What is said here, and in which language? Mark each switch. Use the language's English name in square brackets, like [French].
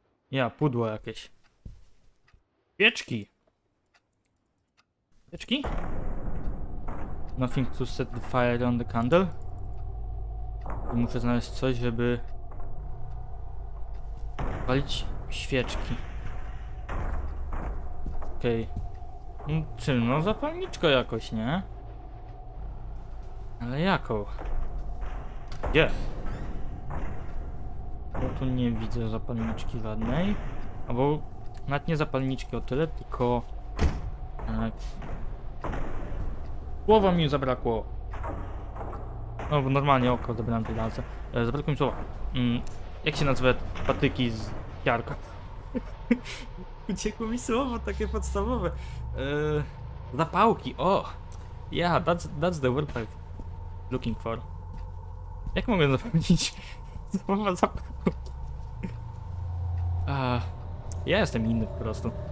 [Polish] Ja, pudło jakieś. Świeczki! Świeczki? [English] Nothing to set the fire on the candle? [Polish] I muszę znaleźć coś, żeby palić świeczki. Okej. Okay. No, czy no zapalniczko jakoś, nie? Ale jaką? Gdzie? Bo tu nie widzę zapalniczki żadnej. Albo... Nawet nie zapalniczki o tyle, tylko... Słowa mi zabrakło. No bo normalnie oko zabrałem tej lance. Zabrakło mi słowa. Jak się nazywa patyki z jarka? Uciekło mi słowo takie podstawowe. Zapałki, o! [English] Yeah, that's the word I'm looking for. [Polish] Jak mogę zapomnieć słowa zapałki? Ja jestem inny po prostu.